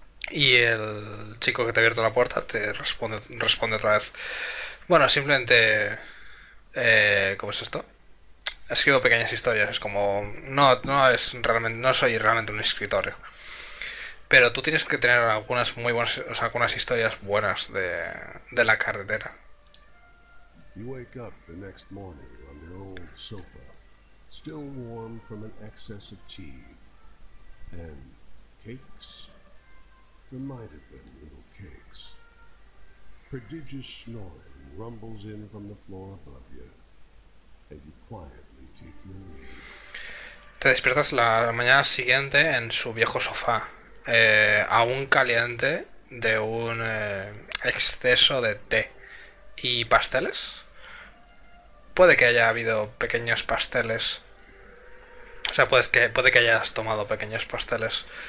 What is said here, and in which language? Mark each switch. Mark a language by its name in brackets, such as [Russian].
[Spanish] Y el chico que te ha abierto la puerta te responde, responde otra vez: bueno, simplemente ¿cómo es esto? Escribo pequeñas historias. Es como, no soy realmente un escritor, pero tú tienes que tener algunas muy buenas, o sea, algunas historias buenas de la carretera. [English] You wake up the next morning on your old sofa, still warm from an excess of tea and cakes. There might have been little cakes. Prodigious snoring rumbles in from the floor above you, and you quietly take your leave. [Spanish] Te despiertas la mañana siguiente en su viejo sofá, aún caliente de un exceso de té y pasteles. Puede que haya habido pequeños pasteles. O sea, puede que hayas tomado pequeños pasteles.